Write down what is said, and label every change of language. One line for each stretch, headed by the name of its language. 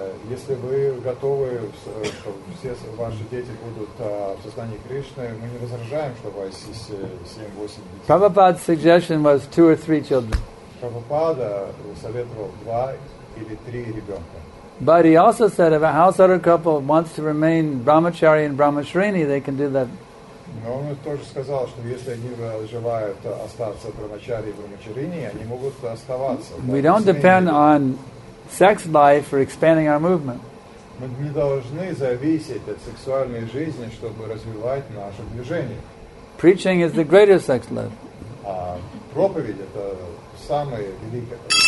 Russian: Если вы готовы, что все ваши дети будут в сознании Кришны, мы не возражаем, что у вас есть 7-8 детей.
English: Prabhupada's suggestion was 2 or 3 children.
Russian: Прабхупада советовал 2 или 3 ребенка.
English: But he also said if a householder couple wants to remain brahmachari and brahmashrini, they can do that.
Russian: Но он тоже сказал, что если они желают остаться брахмачари и брахмачарини, они могут оставаться.
English: We don't depend on sex life for expanding our movement.
Russian: Мы не должны зависеть от сексуальной жизни, чтобы развивать наше движение.
English: Preaching is the greater sex life.
Russian: А проповедь это самое великое.